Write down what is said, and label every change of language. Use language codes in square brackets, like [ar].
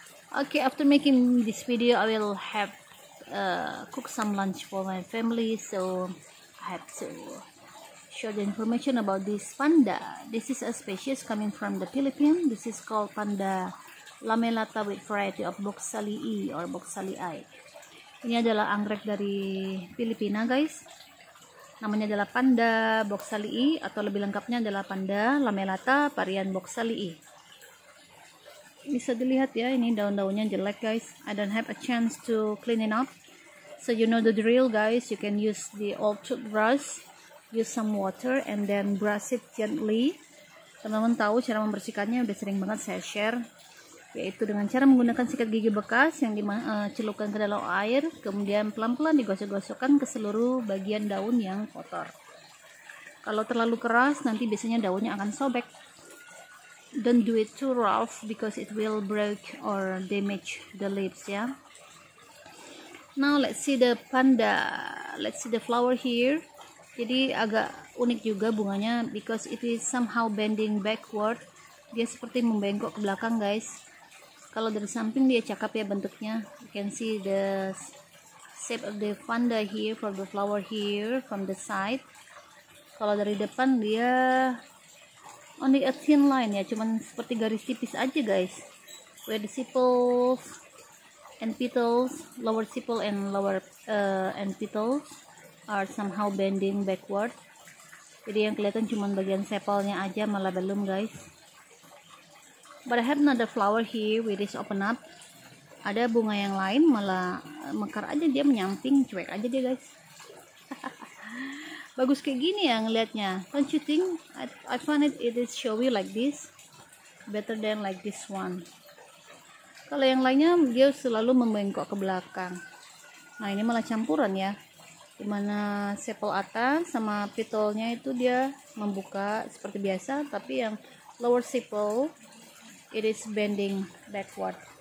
[en] Okay, after making this video, I will have cook some lunch for my family, so I have to share the information about this panda. This is a species coming from the Philippines. This is called panda lamelata with variety of boxalii or boxalii. [id] Ini adalah anggrek dari Filipina guys, namanya adalah panda boxalii atau lebih lengkapnya adalah panda lamelata varian boxalii. Bisa dilihat ya, ini daun-daunnya jelek guys. [en] I don't have a chance to clean it up. So you know the drill guys, you can use the old toothbrush, use some water and then brush it gently. [id] Teman-teman tahu cara membersihkannya, udah sering banget saya share, yaitu dengan cara menggunakan sikat gigi bekas yang dicelupkan ke dalam air, kemudian pelan-pelan digosok-gosokkan ke seluruh bagian daun yang kotor. Kalau terlalu keras nanti biasanya daunnya akan sobek. [en] Don't do it too rough because it will break or damage the leaves ya. Now let's see the panda, let's see the flower here. [id] Jadi agak unik juga bunganya [en] because it is somehow bending backward. [id] Dia seperti membengkok ke belakang guys. Kalau dari samping dia cakep ya bentuknya. [en] You can see the shape of the panda here for the flower here from the side. [id] Kalau dari depan dia [en] only a thin line [id] ya, cuman seperti garis tipis aja guys. [en] Where the sepals and petals, lower sepal and lower and petals are somehow bending backward. [id] Jadi yang kelihatan cuma bagian sepalnya aja, malah belum guys. [en] But I have another flower here which is open up. [id] Ada bunga yang lain malah mekar aja, dia menyamping, cuek aja dia guys. Bagus kayak gini ya ngelihatnya. [en] Don't you think? I find it is showy like this better than like this one. [id] Kalau yang lainnya dia selalu membengkok ke belakang. Nah ini malah campuran ya, dimana sepal atas sama petalnya itu dia membuka seperti biasa, tapi yang lower sepal [en] it is bending backward.